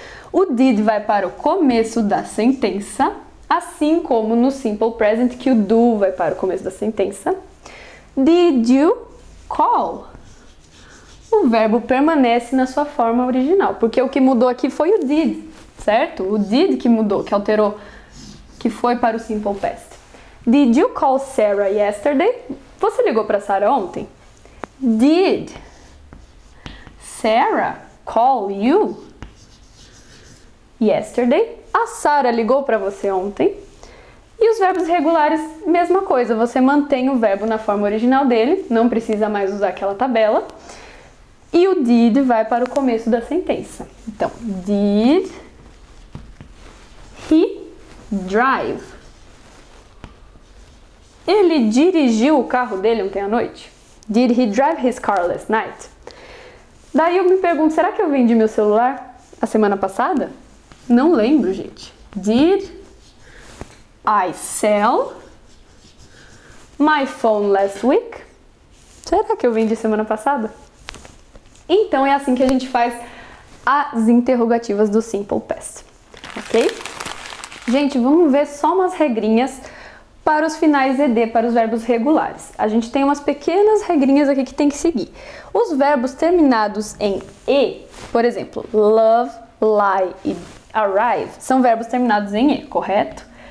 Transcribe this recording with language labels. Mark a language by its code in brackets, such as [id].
[pt] O did vai para o começo da sentença, assim como no simple present, que o do vai para o começo da sentença. [en] Did you call? [pt] O verbo permanece na sua forma original, porque o que mudou aqui foi o did, certo? O did que mudou, que alterou, que foi para o simple past. [en] Did you call Sarah yesterday? [pt] Você ligou para Sarah ontem? [en] Did Sarah call you yesterday? [pt] A Sarah ligou para você ontem? E os verbos regulares, mesma coisa. Você mantém o verbo na forma original dele, não precisa mais usar aquela tabela. E o did vai para o começo da sentença. Então, [en] did he drive? [pt] Ele dirigiu o carro dele ontem à noite? [en] Did he drive his car last night? [pt] Daí eu me pergunto, será que eu vendi meu celular a semana passada? Não lembro, gente. [en] Did I sell my phone last week? [pt] Será que eu vendi semana passada? Então é assim que a gente faz as interrogativas do simple past. Ok? Gente, vamos ver só umas regrinhas para os finais ED, para os verbos regulares. A gente tem umas pequenas regrinhas aqui que tem que seguir. Os verbos terminados em E, por exemplo, love, lie e arrive, são verbos terminados em E, correto?